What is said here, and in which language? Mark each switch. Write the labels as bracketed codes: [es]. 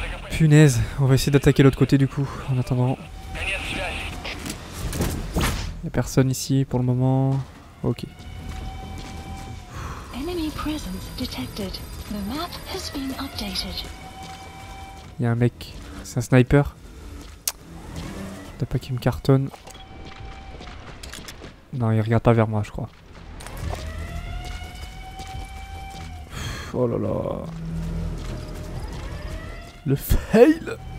[fr] Punaise, on va essayer d'attaquer l'autre côté du coup, en attendant. Y'a personne ici pour le moment. Ok. [en] Enemy presence detected. The map has been updated. [fr] Il y a un mec. C'est un sniper. T'as pas qu'il me cartonne. Non, il regarde pas vers moi, je crois. Oh là là. Le fail.